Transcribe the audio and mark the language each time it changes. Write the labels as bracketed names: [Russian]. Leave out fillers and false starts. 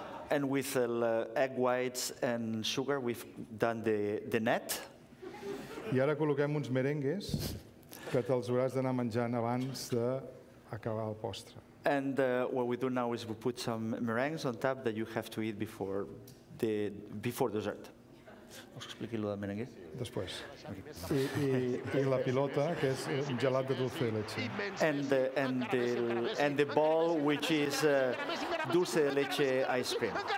[English] And with egg whites and sugar we've done the net. [Catalan] I ara col·loquem uns merengues que te'ls hauràs d'anar menjant abans d'acabar el postre. [English] And what we do now is we put some meringues on top that you have to eat before dessert. [Catalan] Vols que expliqui allò del merengue? Després. I la pilota, que és un gelat de dulce de leche. [English] And the ball, which is dulce de leche ice cream.